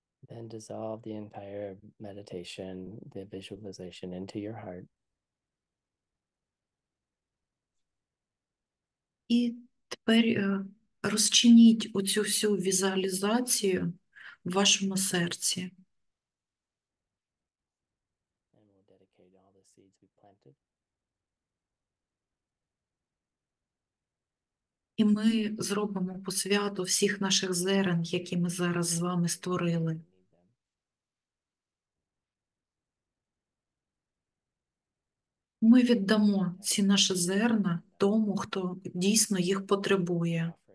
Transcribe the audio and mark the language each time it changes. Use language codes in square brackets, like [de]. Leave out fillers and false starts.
[en] And dissolve the entire meditation, the visualization into your heart. [uk] І тепер розчиніть оцю всю візуалізацію в вашому серці. [en] And we'll dedicate all the seeds we planted. [uk] І ми зробимо посвяту всіх наших зерен, які ми зараз з вами створили. Ми віддамо ці наші зерна тому, хто дійсно їх потребує.